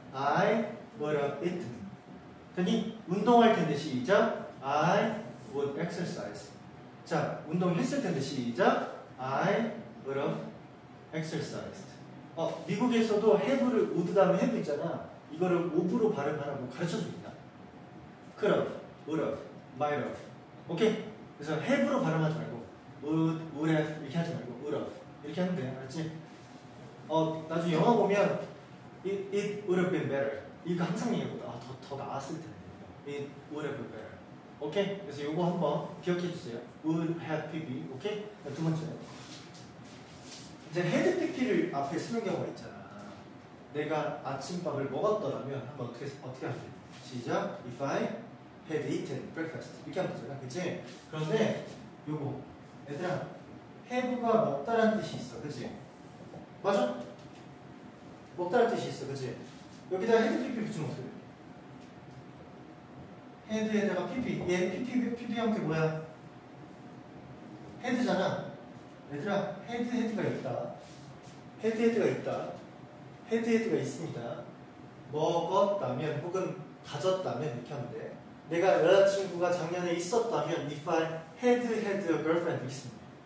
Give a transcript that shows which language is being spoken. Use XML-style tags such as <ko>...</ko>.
<en>I would eat.</en> <ko>되니? 운동할 텐데 시작.</ko> <en>I would exercise.</en> <ko>자, 운동했을 텐데 시작.</ko> <en>I would exercise.</en> <ko>어, 미국에서도 have를 would 다음에 have 있잖아. 이거를 of로 발음하라고 가르쳐줍니다.</ko> <en>could have, would have, might have.</en> <ko>오케이? 그래서 have로 발음하지 말고 would have 이렇게 하지 말고 would have 이렇게 하면 돼. 알았지? 어, 나중에 영화 보면</ko> <en>it would have been better.</en> <ko>이거 항상 얘기해보다 아, 더 나았을 텐데. it would have been better. 오케이? 그래서 이거 한번 기억해 주세요.</ko> <en>would have pp. 오케이?</en> <ko>두 번째. 이제 had pp를 앞에 쓰는 경우가 있잖아. 내가 아침밥을 먹었더라면 한번 어떻게 하세요? 시작.</ko> <en>If I had eaten breakfast.</en> <ko>이렇게 하면 되잖아. 그치? 그런데 요거 얘들아, have가 먹다라는 뜻이 있어. 그치? 맞아? 먹다라는 뜻이 있어. 그치? 여기다가 had pp 붙이면 어떡해? had에다가 pp. 얘 pp, pp 한 게 뭐야? had잖아. 얘들아, had, had가 있다. had, had가 있다. 헤드헤드가 있습니다. 먹었다면 혹은 가졌다면 이렇게 하면 돼. 내가 여자친구가 작년에 있었다면</ko> <en>if I had had a girlfriend</en> <ko>있습니다.</ko>